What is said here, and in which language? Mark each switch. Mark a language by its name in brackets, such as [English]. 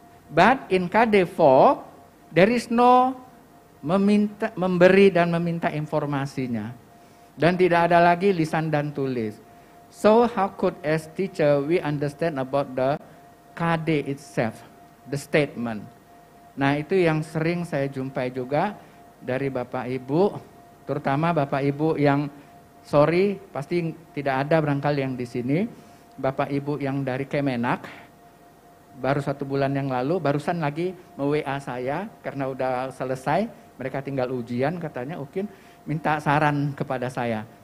[English] But in KD 4 there is no [Indonesian] meminta, memberi dan meminta informasinya, dan tidak ada lagi lisan dan tulis. [English] So how could as teacher we understand about the KD itself, the statement? [Indonesian] Nah, itu yang sering saya jumpai juga dari Bapak Ibu, terutama Bapak Ibu yang sorry pasti tidak ada barangkali yang di sini, Bapak Ibu yang dari Kemenak. Baru satu bulan yang lalu, barusan lagi me-WA saya karena udah selesai, mereka tinggal ujian katanya, mungkin minta saran kepada saya.